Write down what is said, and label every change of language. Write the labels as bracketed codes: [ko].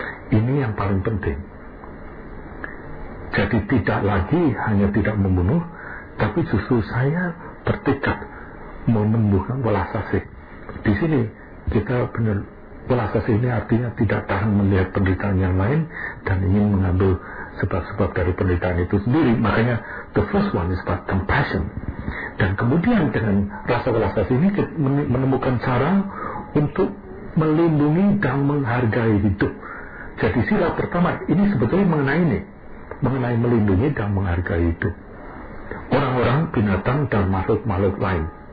[id] Ini yang paling penting. Jadi tidak lagi hanya tidak membunuh, tapi justru saya bertekad menumbuhkan welas asih. Di sini kita benar welas asih ini artinya tidak tahan melihat penderitaan yang lain dan ingin mengambil sebab-sebab dari penderitaan itu sendiri. Makanya [en] the first one is about compassion. [id] Dan kemudian dengan rasa welas asih ini menemukan cara untuk melindungi dan menghargai hidup. Jadi sila pertama ini sebetulnya mengenai ini, mengenai melindungi dan menghargai itu orang-orang, binatang, dan makhluk-makhluk lain.